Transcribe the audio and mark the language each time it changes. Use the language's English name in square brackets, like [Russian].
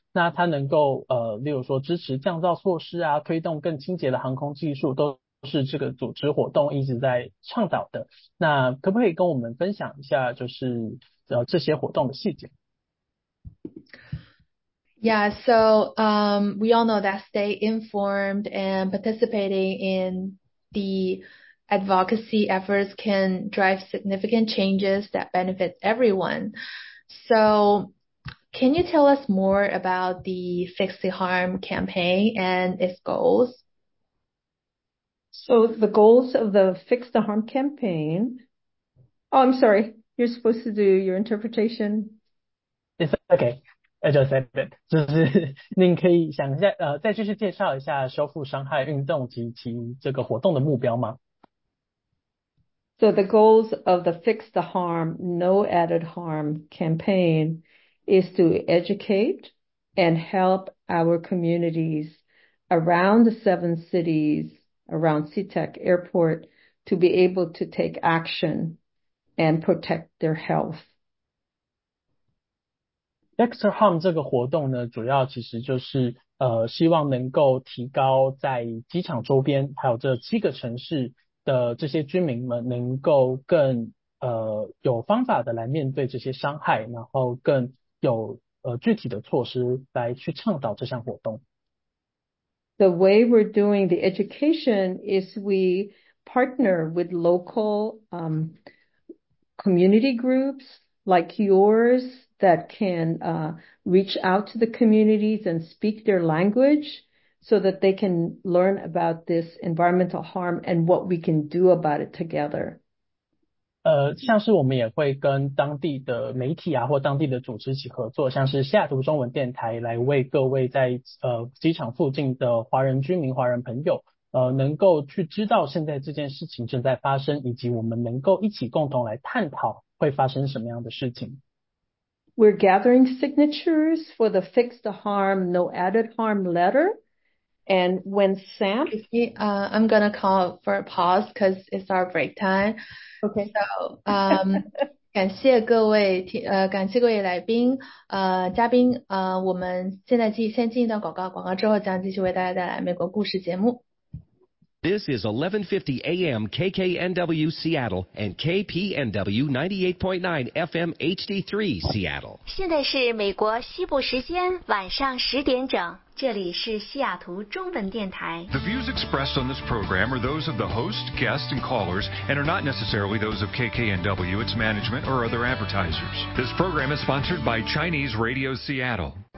[Chinese] 那它能够例如说支持降噪措施啊，推动更清洁的航空技术，都是这个组织活动一直在倡导的。那可不可以跟我们分享一下就是这些活动的细节？ [English] Yeah, so we all know that stay informed and participating in the advocacy efforts can drive significant changes that benefit everyone. So can you tell us more about the Fix the Harm campaign and its goals? So the goals of the Fix the Harm campaign. Oh, I'm sorry. You're supposed to do your interpretation. It's okay. I just said it. [Chinese] 就是您可以想一下，再继续介绍一下修复伤害运动及其这个活动的目标吗？ [English] So the goals of the Fix the Harm, No Added Harm campaign is to educate and help our communities around the seven cities, around SeaTac Airport, to be able to take action and protect their health. [Chinese] Fix the Harm 这个活动呢，主要其实就是希望能够提高在机场周边还有这七个城市的这些居民们能够更有方法的来面对这些伤害，然后更有具体的措施来去倡导这项活动。 [English] The way we're doing the education is we partner with local community groups like yours. That can reach out to the communities and speak their language so that they can learn about this environmental harm and what we can do about it together. [Chinese] 像是我们也会跟当地的媒体啊或当地的组织一起合作，像是西雅图中文电台来为各位在机场附近的华人居民华人朋友能够去知道现在这件事情正在发生，以及我们能够一起共同来探讨会发生什么样的事情。 [English] We're gathering signatures for the Fix the Harm, No Added Harm letter. And when Sam... I'm going to call for a pause because it's our break time. Okay. So, [Chinese] 感谢各位来宾。嘉宾，我们现在先进一段广告，广告之后将继续为大家带来美国故事节目。 [English] This is 1150 AM KKNW Seattle and KPNW 98.9 FM HD3 Seattle. [Chinese] 现在是美国西部时间晚上十点整。这里是西雅图中文电台。 [English] The views expressed on this program are those of the host, guests, and callers, and are not necessarily those of KKNW, its management, or other advertisers. This program is sponsored by Chinese Radio Seattle.